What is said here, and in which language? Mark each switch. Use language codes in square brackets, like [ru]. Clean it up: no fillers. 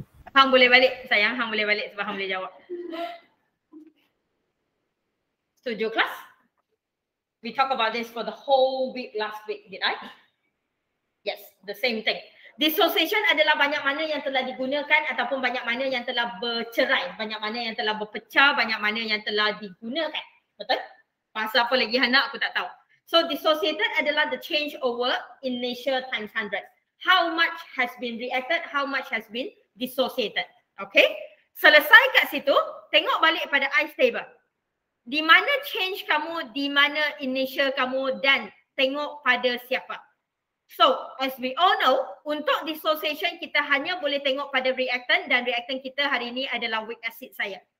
[ms] Hang boleh balik, sayang. Hang boleh balik sebab hang boleh jawab. [en] Studio class? We talk about this for the whole week last week, did I? Yes, the same thing. [ms] Dissociation adalah banyak mana yang telah digunakan ataupun banyak mana yang telah bercerai. Banyak mana yang telah berpecah, banyak mana yang telah digunakan. Betul? Pasal apa lagi hang nak, aku tak tahu. So, dissociated adalah [en] the change over initial times 100. How much has been reacted, how much has been dissociated. [ms] Okay. Selesai kat situ, tengok balik pada ice table. Di mana change kamu, di mana initial kamu dan tengok pada siapa. So, [en] as we all know, [ms] untuk dissociation kita hanya boleh tengok pada reactant dan reactant kita hari ini adalah weak acid saya.